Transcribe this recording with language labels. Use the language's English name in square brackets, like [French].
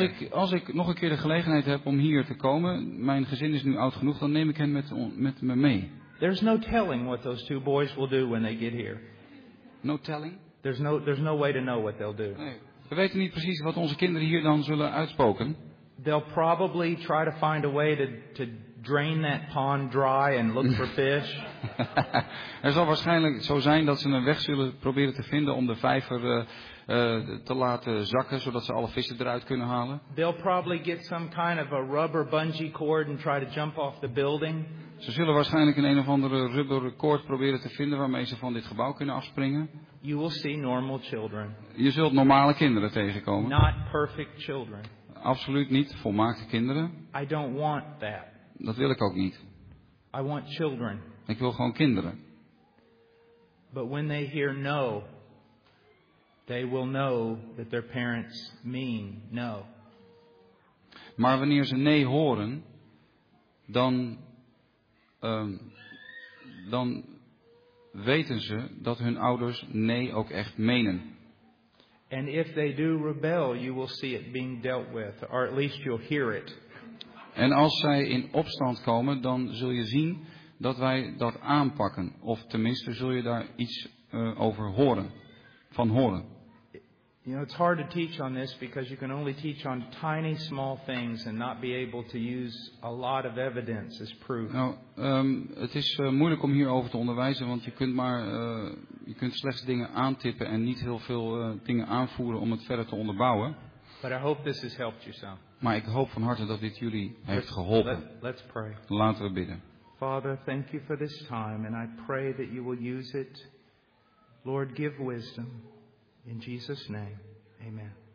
[Dutch] Als ik nog een keer de gelegenheid heb om hier te komen, mijn gezin is nu oud genoeg, dan neem ik hen met me mee. [English] There's no telling what those two boys will do when they get here. No telling? There's no way to know what they'll do. [Dutch] Nee. We weten niet precies wat onze kinderen hier dan zullen uitspoken. [English] They'll probably try to find a way to drain that pond dry and look for fish. [Dutch] Er zal waarschijnlijk zo zijn dat ze een weg zullen proberen te vinden om de vijver te laten zakken, zodat ze alle vissen eruit kunnen halen. [English] They'll probably get some kind of a rubber bungee cord and try to jump off the building. [Dutch] Ze zullen waarschijnlijk een of andere rubberen koord proberen te vinden waarmee ze van dit gebouw kunnen afspringen. [English] You will see normal children. [Dutch] Je zult normale kinderen tegenkomen. [English] Not perfect children. [Dutch] Absoluut niet volmaakte kinderen. [English] I don't want that. [Dutch] Dat wil ik ook niet. [English] I want children. [Dutch] Ik wil gewoon kinderen. [English] But when they hear no, they will know that their parents mean no. [Dutch] Maar wanneer ze nee horen, dan weten ze dat hun ouders nee ook echt menen. [English] And if they do rebel, you will see it being dealt with, or at least you'll hear it. [Dutch] En als zij in opstand komen, dan zul je zien dat wij dat aanpakken, of tenminste zul je daar iets over horen, van horen. [English] You know, it's hard to teach on this because you can only teach on tiny, small things and not be able to use a lot of evidence as proof. [Dutch] Nou, het is moeilijk om hierover te onderwijzen, want je kunt slechts dingen aantippen en niet heel veel dingen aanvoeren om het verder te onderbouwen. [English] But I hope this has helped you some. [Dutch] Maar ik hoop van harte dat dit jullie heeft geholpen. [English] Let's pray. [Dutch] Laten we bidden. [English] Father, thank you for this time and I pray that you will use it. Lord, give wisdom. In Jesus' name, amen.